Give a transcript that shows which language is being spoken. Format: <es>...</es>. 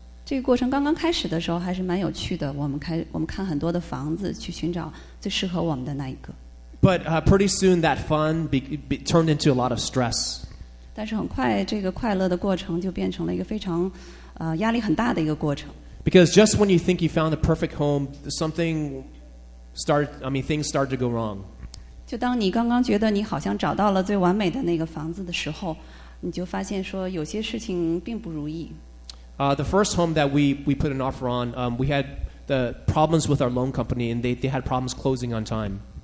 <zh>这个过程刚刚开始的时候还是蛮有趣的。我们看很多的房子去寻找最适合我们的那一个。</zh> <en>But pretty soon that fun turned into a lot of stress.</en> <zh>但是很快这个快乐的过程就变成了一个非常压力很大的一个过程。</zh> <en>Because just when you think you found the perfect home, things start to go wrong.</en> <zh>就当你刚刚觉得你好像找到了最完美的那个房子的时候，你就发现说有些事情并不如意。</zh> <en>The first home that we put an offer on, we had the problems with our loan company, and they had problems closing on time.</en>